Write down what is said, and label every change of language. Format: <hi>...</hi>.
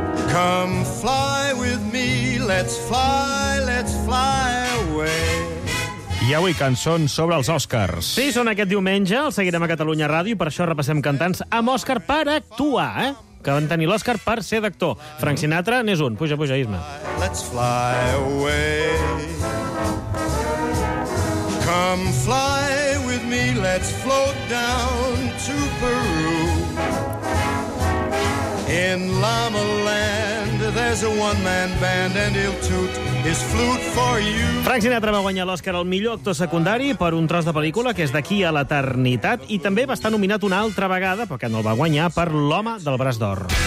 <en>Come fly with me, let's fly away.</en> <ca>I avui cançons sobre els Oscars. Sí, són aquest diumenge, el seguirem a Catalunya Ràdio, i per això repassem cantants amb Oscar per actuar, eh? Que van tenir l'Òscar per ser d'actor. Frank Sinatra n'és un. Puja, puja, Isma.</ca> <en>Let's fly away. Come fly with me, let's float down to Peru. In Llama Land, there's a one-man band and he'll toot his flute for you.</en> <ca>Frank Sinatra va guanyar l'Òscar al millor actor secundari per un tros de pel·lícula que és D'aquí a l'eternitat, i també va estar nominat una altra vegada, però que no el va guanyar, per L'home del braç d'or.</ca>